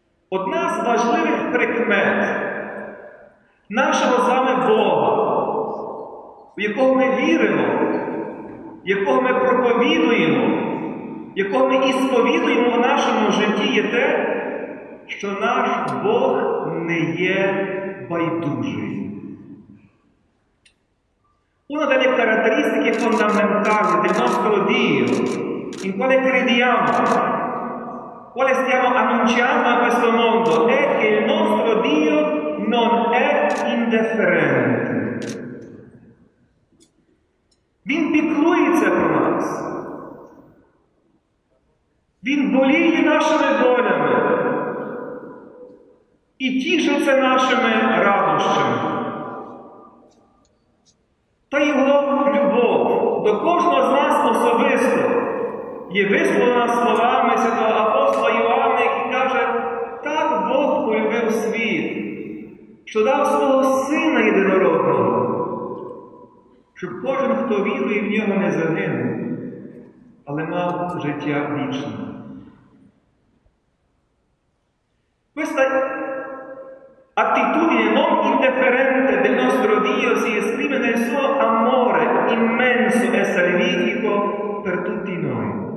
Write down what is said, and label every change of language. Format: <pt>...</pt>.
<uk>Одна з важливих прикмет нашого з вами Бога, в якого ми віримо, якого ми проповідуємо, якого ми ісповідуємо в нашому житті, є те, що наш Бог не є байдужий.</uk> <it>Una delle caratteristiche fondamentali del nostro Dio, in quale crediamo, quale stiamo annunciando a questo mondo, è che il nostro Dio non è indifferente.</it> <uk>Він піклується про нас. Він боліє нашими болями і тішиться нашими радощами. Та його любов до кожного з нас особисто є висловлена словами святого апостола Іоанна, який каже: «Так Бог полюбив світ, що дав свого Сина Єдинородного, щоб кожен, хто вірує в нього, не загинув, але мав життя вічне.</uk> <it>Questa attitudine non indifferente del nostro Dio si esprime nel suo amore immenso e salvifico per tutti noi.</it>